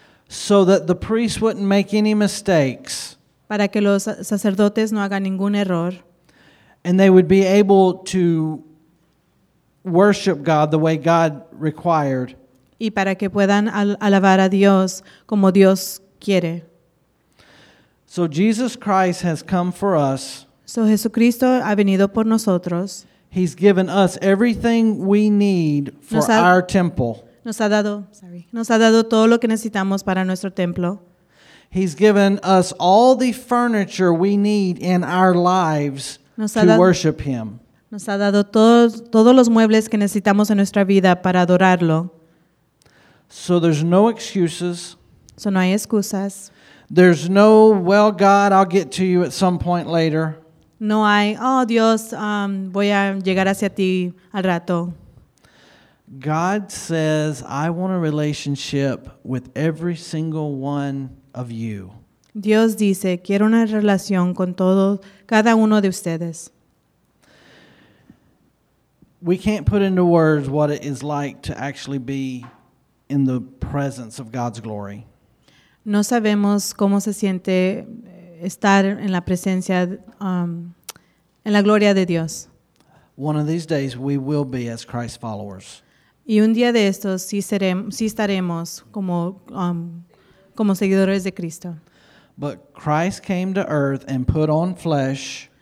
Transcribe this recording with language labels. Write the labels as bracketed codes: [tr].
[en] So that the priests wouldn't make any mistakes. [es] Para que los sacerdotes no hagan ningún error. [en] And they would be able to worship God the way God required. [es] Y para que puedan alabar a Dios como Dios quiere. [en] So Jesus Christ has come for us. [es] So Jesucristo ha venido por nosotros. [en] He's given us everything we need for our temple. [es] Nos ha dado todo lo que necesitamos para nuestro templo. [en] He's given us all the furniture we need in our lives to worship Him. [es] Nos ha dado todos los muebles que necesitamos en nuestra vida para adorarlo. [en] So there's no excuses. [es] So no hay excusas. [en] There's no, well, God, I'll get to you at some point later. [es] No hay, oh Dios, voy a llegar hacia ti al rato. [en] God says, I want a relationship with every single one of you. [es] Dios dice, quiero una relación con todos, cada uno de ustedes. [en] We can't put into words what it is like to actually be in the presence of God's glory. [es] No sabemos cómo se siente estar en la presencia en la gloria de Dios. [en] One of these days we will be as Christ followers. [es] Y un día de estos sí estaremos como seguidores de Cristo. [en] But Christ came to earth and put on flesh.